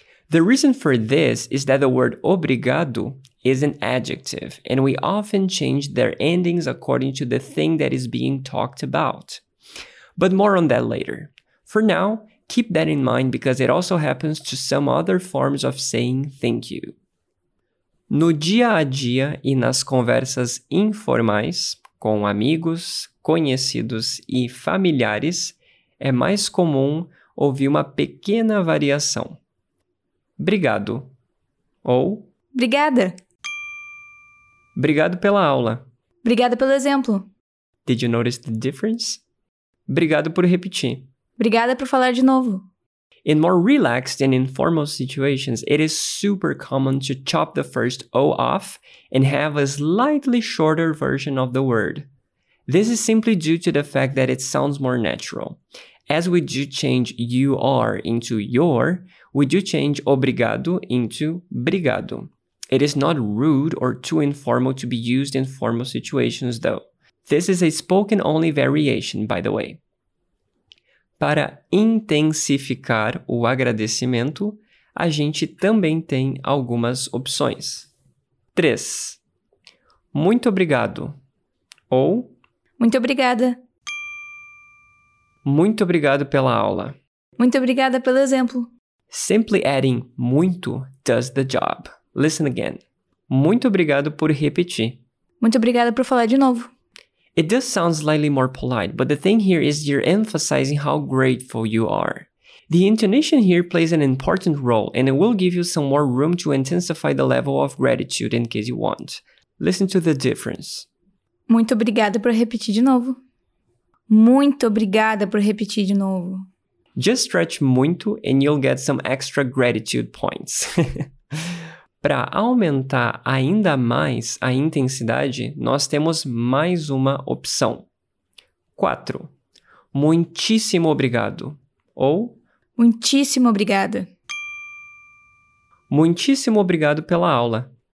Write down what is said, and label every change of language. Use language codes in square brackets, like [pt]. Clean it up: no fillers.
[en] The reason for this is that the word obrigado is an adjective, and we often change their endings according to the thing that is being talked about. But more on that later. For now, keep that in mind because it also happens to some other forms of saying thank you. [pt] No dia a dia e nas conversas informais, com amigos, conhecidos e familiares, é mais comum ouvir uma pequena variação. Obrigado. Ou... Obrigada. Obrigado pela aula. Obrigada pelo exemplo. [en] Did you notice the difference? [pt] Obrigado por repetir. Obrigada por falar de novo. [en] In more relaxed and informal situations, it is super common to chop the first O off and have a slightly shorter version of the word. This is simply due to the fact that it sounds more natural. As we do change you are into your, we do change obrigado into brigado. It is not rude or too informal to be used in formal situations, though. This is a spoken-only variation, by the way. [pt] Para intensificar o agradecimento, a gente também tem algumas opções. 3. Muito obrigado. Ou... Muito obrigada. Muito obrigado pela aula. Muito obrigada pelo exemplo. [en] Simply adding muito does the job. Listen again. [pt] Muito obrigado por repetir. Muito obrigada por falar de novo. [en] It does sound slightly more polite, but the thing here is you're emphasizing how grateful you are. The intonation here plays an important role, and it will give you some more room to intensify the level of gratitude in case you want. Listen to the difference. [pt] Muito obrigada por repetir de novo. Muito obrigada por repetir de novo. [en] Just stretch muito and you'll get some extra gratitude points. [pt] Para aumentar ainda mais a intensidade, nós temos mais uma opção. 4. Muitíssimo obrigado. Ou... Muitíssimo obrigada. Muitíssimo obrigado pela aula.